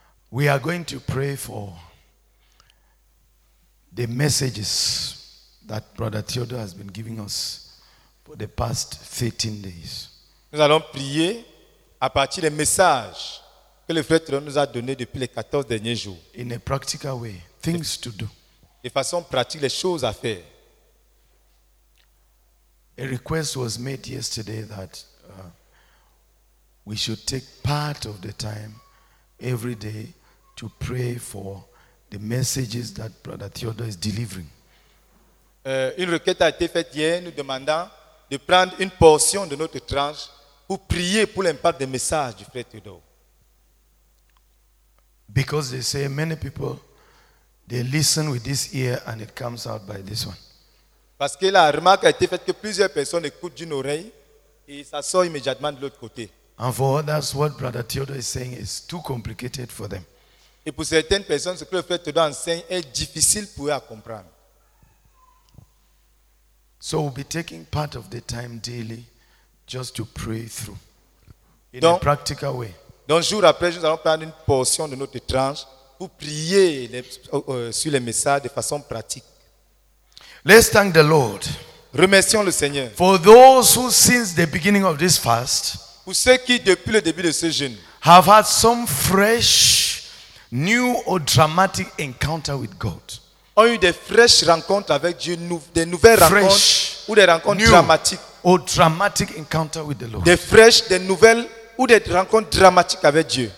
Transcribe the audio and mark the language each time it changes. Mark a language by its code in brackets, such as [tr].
[en] We are going to pray for the messages that Brother Theodore has been giving us for the past 13 days. [fr] Nous allons prier à partir des messages que le frère Théo nous a donné depuis les 14 derniers jours. [en] In a practical way, things to do. [fr] De façon pratique, les choses à faire. [en] A request was made yesterday that we should take part of the time every day to pray for the messages that Brother Theodore is delivering. [fr] Une requête a été faite hier nous demandant de prendre une portion de notre tranche pour prier pour l'impact des messages du frère Theodore. [en] Because they say many people, they listen with this ear and it comes out by this one. [fr] Parce que la remarque a été faite que plusieurs personnes écoutent d'une oreille et ça sort immédiatement de l'autre côté. [en] And for others, what Brother Theodore is saying is too complicated for them. [fr] Et pour certaines personnes, ce que le frère Theodore enseigne est difficile pour eux à comprendre. [en] So we'll be taking part of the time daily just to pray through in a practical way. [fr] Donc jour après jour, nous allons prendre une portion de notre tranche pour prier sur les messages de façon pratique. [en] Let's thank the Lord. [fr] Remercions le Seigneur. [en] For those who since the beginning of this fast, [fr] pour ceux qui depuis le début de ce jeûne, [en] have had some fresh, new or dramatic encounter with God. [fr] Ont eu des fraîches rencontres avec Dieu, des nouvelles rencontres ou des rencontres dramatiques. [en] Or dramatic encounter with the Lord. [fr] Des fraîches, des nouvelles ou des rencontres dramatiques avec Dieu.